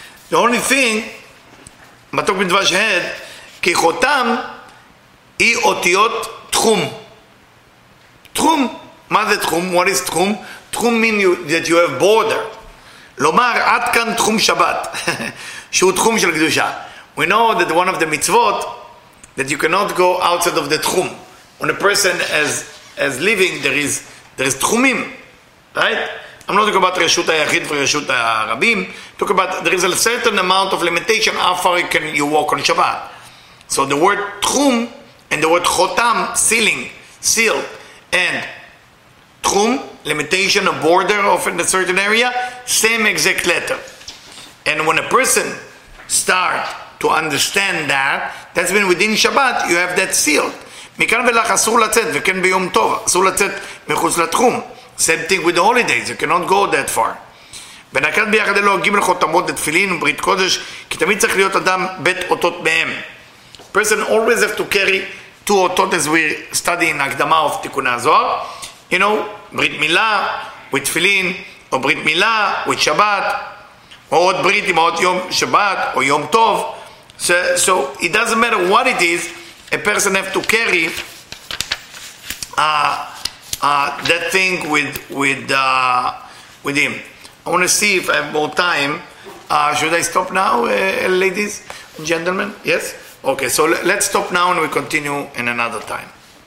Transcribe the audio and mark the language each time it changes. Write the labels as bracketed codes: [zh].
[en] The only thing [he] מתוק מדבש הד, כי חותם היא אותיות תחום. תחום, מה זה תחום? [en] What is תחום? תחום means that you have border. [he] לומר, עד כאן תחום שבת, שהוא תחום של קדושה. [en] We know that one of the mitzvot, that you cannot go outside of the תחום. When a person is living, there is תחומים, right? I'm not talking about רשות היחיד ורשות הרבים. Talk about there is a certain amount of limitation how far you can walk on Shabbat. So the word תחום and the word חותם, sealing, seal, and תחום, limitation, a border of in a certain area, same exact letter. And when a person start to understand that, that's when within Shabbat you have that seal. [he] מכאן ולך אסור לצאת, וכן ביום טוב, אסור לצאת מחוץ לתחום. [en] Same thing with the holidays. You cannot go that far. [he] ונקד ביחד אלו הגים לחותמות לתפילין וברית קודש, כי תמיד צריך להיות אדם בית אותות מהם. [en] Person always have to carry two אותות as we study in הקדמה of תיקוני הזוהר. You know, [he] ברית מילה with תפילין, או ברית מילה with שבת, או עוד ברית עם עוד יום שבת, או יום טוב. [en] So it doesn't matter what it is, a person have to carry that thing with him. I want to see if I have more time. Should I stop now, ladies and gentlemen? Yes? Okay, so let's stop now and we continue in another time.